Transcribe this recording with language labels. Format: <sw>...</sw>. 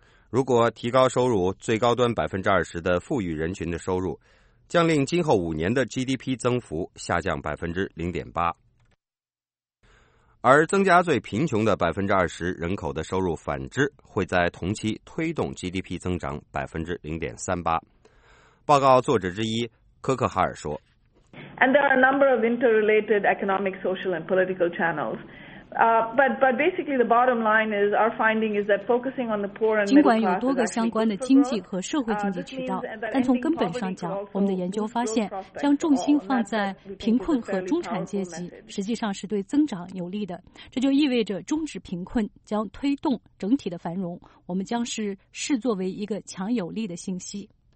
<zh>如果提高收入最高端20%的富裕人群的收入，将令今后5年的 GDP 增幅下降0.8%。而增加最贫穷的20%人口的收入，反之会在同期推动 GDP 增长0.38%。报告作者之一科克哈尔说，</zh> <en>And there are a number of interrelated economic, social and political channels. But basically the bottom line is our finding is that focusing on the poor and middle class.</en> <zh>尽管有多个相关的经济和社会经济渠道，但从根本上讲，我们的研究发现，将重心放在贫困和中产阶级实际上是对增长有利的。这就意味着终止贫困将推动整体的繁荣，我们将是视作为一个强有力的信息。</zh>